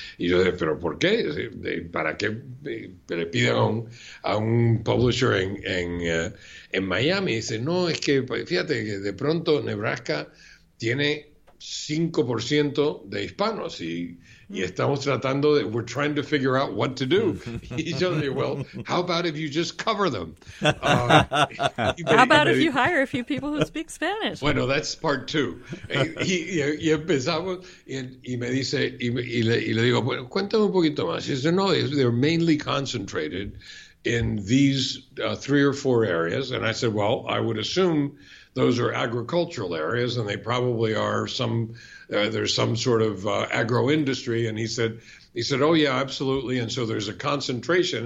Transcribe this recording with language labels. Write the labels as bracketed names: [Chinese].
[Spanish] Y yo dije, ¿pero por qué? ¿Para qué le piden a un publisher en Miami? Y dice, no, es que fíjate que de pronto Nebraska tiene 5% de hispanos y estamos tratando de, [English] we're trying to figure out what to do. [Spanish] Y yo dije, [English] well, how about if you just cover them? How about if you hire a few people who speak Spanish? [Spanish] Bueno, [English] that's part two. [Spanish] Y empezamos y me dice, y le digo, bueno, cuéntame un poquito más. [English] He said, no, they're mainly concentrated in these three or four areas. And I said, well, I would assume those are agricultural areas, and they probably are there's some sort of agro-industry. And he said, oh, yeah, absolutely. And so there's a concentration.